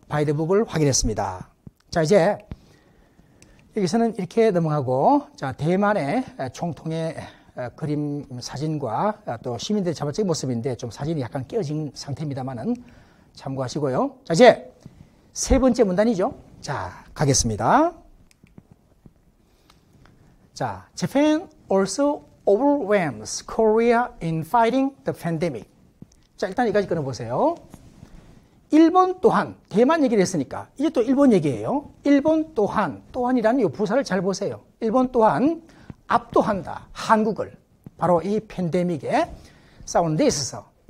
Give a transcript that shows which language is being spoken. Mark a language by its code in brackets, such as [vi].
[ko] 바이드북을 확인했습니다. 자, 이제 여기서는 이렇게 넘어가고, 자, 대만의 총통의 그림 사진과 또 시민들의 자발적인 모습인데, 좀 사진이 약간 깨어진 상태입니다만은 참고하시고요. 자, 이제 세 번째 문단이죠. 자, 가겠습니다. [en] 자, Japan also overwhelms Korea in fighting the pandemic. [ko] 자, 일단 여기까지 끊어보세요. 일본 또한, 대만 얘기를 했으니까 이제 또 일본 얘기예요. 일본 또한, 또한이라는 이 부사를 잘 보세요. 일본 또한 압도한다, 한국을, 바로 이 팬데믹에 싸우는 데 있어서.